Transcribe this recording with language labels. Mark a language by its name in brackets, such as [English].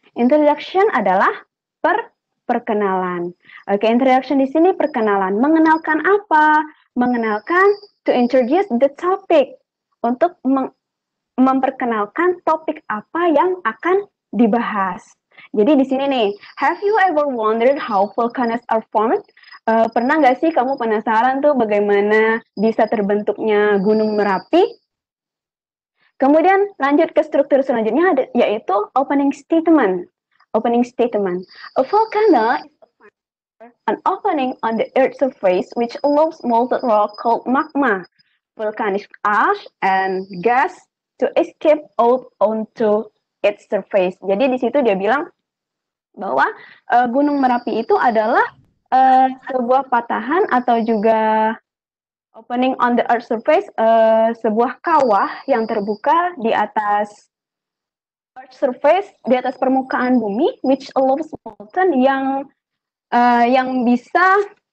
[Indonesian] Introduction adalah perkenalan. Okay, introduction di sini perkenalan. Mengenalkan apa? Mengenalkan, [English] to introduce the topic. [Indonesian] Untuk memperkenalkan topik apa yang akan dibahas. Jadi di sini nih, [English] have you ever wondered how volcanoes are formed? [Indonesian] Pernah nggak sih kamu penasaran tuh bagaimana bisa terbentuknya Gunung Merapi? Kemudian lanjut ke struktur selanjutnya, yaitu opening statement. Opening statement. [English] A volcano is an opening on the earth's surface which allows molten rock called magma, volcanic ash, and gas to escape out onto its surface. [Indonesian] Jadi di situ dia bilang bahwa Gunung Merapi itu adalah sebuah patahan atau juga [English] opening on the earth surface, [Indonesian] sebuah kawah yang terbuka di atas earth surface, di atas permukaan bumi, [English] which allows molten, [Indonesian] yang bisa